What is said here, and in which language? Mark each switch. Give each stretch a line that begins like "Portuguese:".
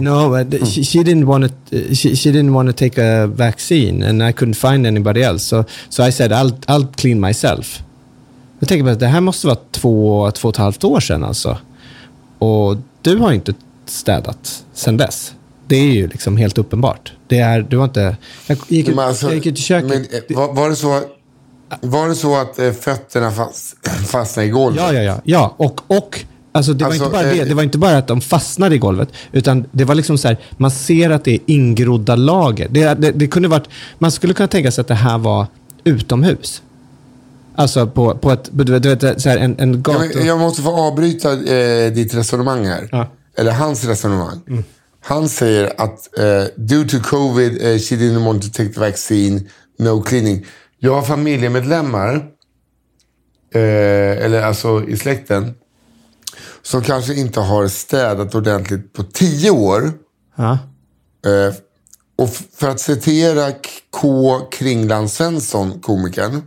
English: No, but she didn't want to take a vaccine, and I couldn't find anybody else. So I said I'll clean myself.
Swedish: Jag tänker bara, det här måste vara 2-2,5 år sedan alltså. Och du har inte städat sen dess. Det är ju liksom helt uppenbart. Det är du har inte. Jag gick ut i köket. Men var det så att fötterna fastnade i golvet? Ja. Och alltså det var inte bara det var inte bara att de fastnade i golvet, utan det var liksom så här, man ser att det är ingrodda lager. Det kunde varit, man skulle kunna tänka sig att det här var utomhus. Alltså på ett, du vet, så här en gata. Jag måste få avbryta ditt resonemang här. Ja. Eller hans resonemang. Mm. Han säger att
English: due to covid she didn't want to take the vaccine, no cleaning.
Swedish: Jag har familjemedlemmar eller alltså i släkten som kanske inte har städat ordentligt på 10 år. Ja. Och för att citera K. Kringland Svensson, komikern.